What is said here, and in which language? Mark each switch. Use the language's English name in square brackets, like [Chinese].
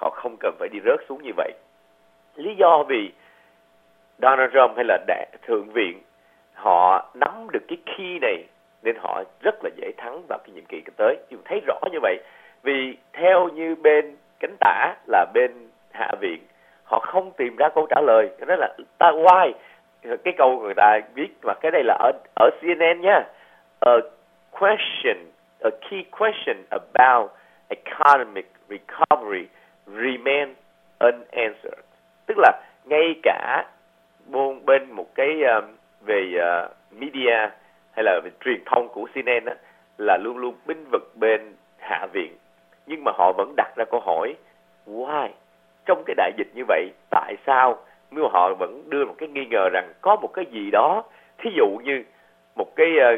[Vietnamese] Họ không cần phải đi rớt xuống như vậy. Lý do vì Donald Trump hay là Thượng viện họ nắm được cái key này nên họ rất là dễ thắng vào cái nhiệm kỳ tới. Chúng thấy rõ như vậy. Vì theo như bên cánh tả là bên Hạ viện, họ không tìm ra câu trả lời. Cho nên là ta why, cái câu người ta viết, mà cái này là ở CNN nha. [English] A question, a key question about economic recovery remain unanswered. [Vietnamese] Tức là ngay cả bên một cái về media hay là về truyền thông của CNN á, là luôn luôn binh vực bên Hạ viện, nhưng mà họ vẫn đặt ra câu hỏi why, trong cái đại dịch như vậy tại sao, nếu họ vẫn đưa một cái nghi ngờ rằng có một cái gì đó, thí dụ như một cái